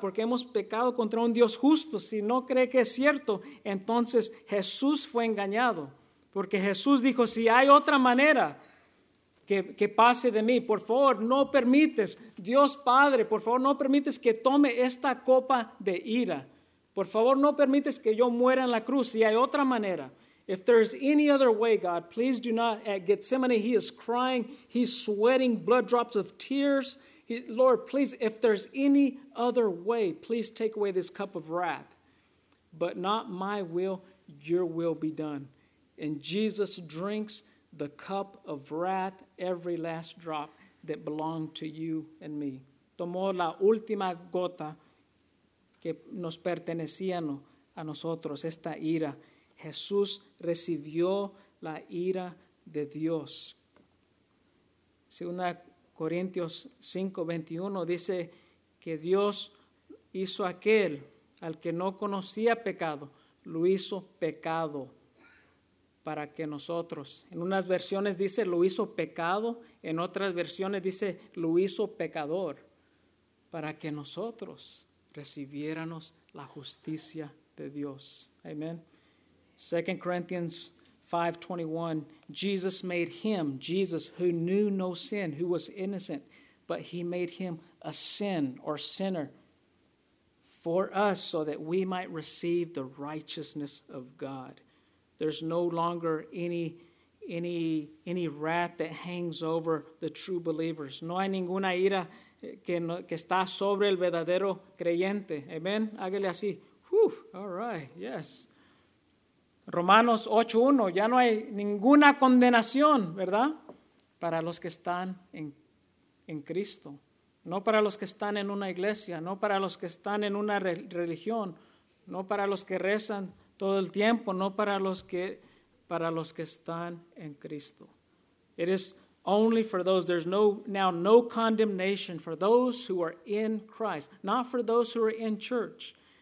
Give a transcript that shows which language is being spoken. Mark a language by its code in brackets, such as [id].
[es] Porque hemos pecado contra un Dios justo. Si no cree que es cierto, entonces Jesús fue engañado. Porque Jesús dijo, si hay otra manera que pase de mí, por favor, no permites, Dios Padre, por favor, no permites que tome esta copa de ira. Por favor, no permites que yo muera en la cruz. Si hay otra manera. [en] If there is any other way, God, please do not. At Gethsemane, he is crying. He's sweating blood drops of tears. Lord, please, if there's any other way, please take away this cup of wrath. But not my will, your will be done. And Jesus drinks the cup of wrath every last drop. that belong to you and me. [es] Tomó la última gota que nos pertenecían a nosotros, esta ira. Jesús recibió la ira de Dios. Segunda Corintios 5:21 dice que Dios hizo aquel al que no conocía pecado, lo hizo pecado para que nosotros. En unas versiones dice lo hizo pecado, en otras versiones dice lo hizo pecador para que nosotros recibiéramos la justicia de Dios. Amén. [en] 2 Corinthians 5:21, Jesus made him, Jesus who knew no sin, who was innocent, but he made him a sin or sinner for us so that we might receive the righteousness of God. There's no longer any wrath that hangs over the true believers. [es] No hay ninguna ira que está sobre el verdadero creyente. [en] Amen. [es] Hágale así. [en] Whew. All right. Yes. [es] Romanos 8:1, ya no hay ninguna condenación, ¿verdad? Para los que están en Cristo. No para los que están en una iglesia, no para los que están en una religión, no para los que rezan todo el tiempo, no para los que están en Cristo. [en] It is only for those, there's no condemnation for those who are in Christ, not for those who are in church.